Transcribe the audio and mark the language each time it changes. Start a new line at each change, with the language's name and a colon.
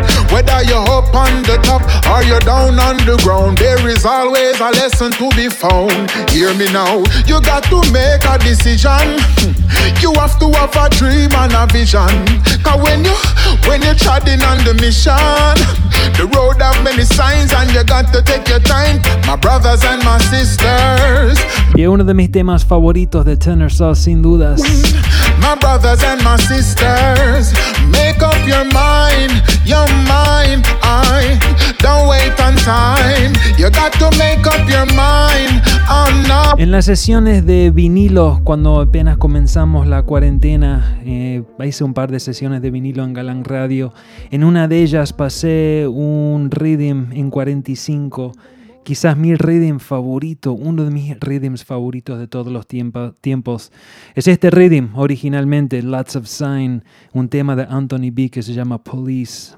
English: Whether you're up on the top or you're down on the ground, there is always a lesson to be found. Hear me now, you got to make a decision. You have to have a dream and a vision. Cause when you're treading on the mission, the road have many signs and you got to take your time. My brothers and my sisters.
Spanish: Y uno de mis temas favoritos de Tenor Sauce, sin dudas.
English: My brothers and my sisters, make up your mind, I don't wait on time. You got to make up your mind, I'm not.
Spanish: En las sesiones de vinilo, cuando apenas comenzamos la cuarentena, hice un par de sesiones de vinilo en Galán Radio. En una de ellas pasé un rhythm en 45. Quizás mi rhythm favorito, uno de mis rhythms favoritos de todos los tiempos, es este rhythm, originalmente, Lots of Sign, un tema de Anthony B que se llama Police.